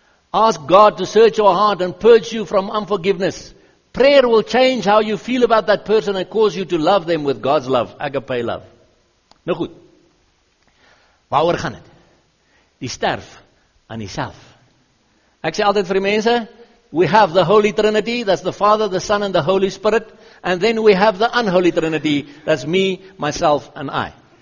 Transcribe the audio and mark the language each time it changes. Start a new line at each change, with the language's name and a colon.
English: Ask God to search your heart and purge you from unforgiveness. Prayer will change how you feel about that person and cause you to love them with God's love, agape love.
Afrikaans: Nou goed, waaroor gaan het? Die sterf aan die self. Ek sê altyd vir die mense,
English: we have the Holy Trinity, that's the Father, the Son and the Holy Spirit, and then we have the unholy Trinity, that's me, myself and I.